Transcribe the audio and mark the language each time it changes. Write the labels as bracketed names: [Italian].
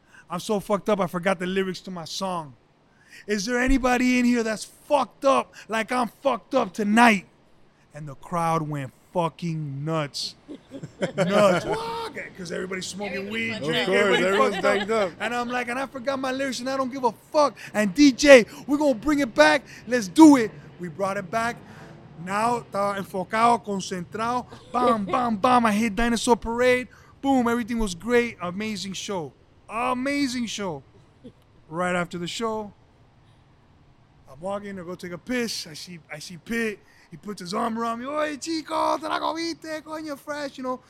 [English] I'm so fucked up, I forgot the lyrics to my song. Is there anybody in here that's fucked up like I'm fucked up tonight? And the crowd went fucking nuts. Nuts. Because everybody's smoking weed. Of course, everyone's banged up. And I'm like, and I forgot my lyrics and I don't give a fuck. And DJ, we're going to bring it back. Let's do it. We brought it back. [Spanish] Now, estaba enfocado, concentrado. [English] Bam, bam, bam. I hit Dinosaur Parade. Boom, everything was great. Amazing show. Amazing show. Right after the show, I'm walking to go take a piss. I see Pit. He puts his arm around me. [Spanish] Oye, chico, te la comiste, coño, [English] fresh, you know.